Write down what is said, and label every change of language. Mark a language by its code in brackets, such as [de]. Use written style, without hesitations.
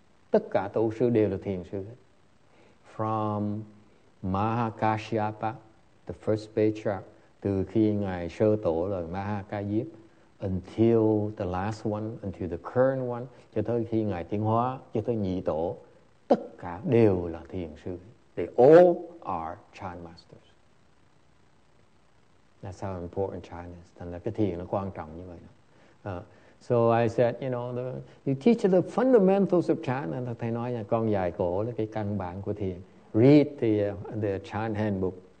[vi] Tất cả tổ sư đều là thiền sư hết. [en] From Mahakashyapa, the first patriarch, [vi] từ khi ngài sơ tổ là Mahakayip, [en] until the last one, until the current one, [vi] cho tới khi ngài tiến hóa, cho tới nhị tổ, tất cả đều là thiền sư. [en] They all are chan masters. That's how important chan is. [vi] Thành ra cái thiền nó quan trọng như vậy. [en] So I said, you know, you teach the fundamentals of chan. [vi] And thầy nói là con dạy cổ là cái căn bản của thiền. [en] Read the chan handbook.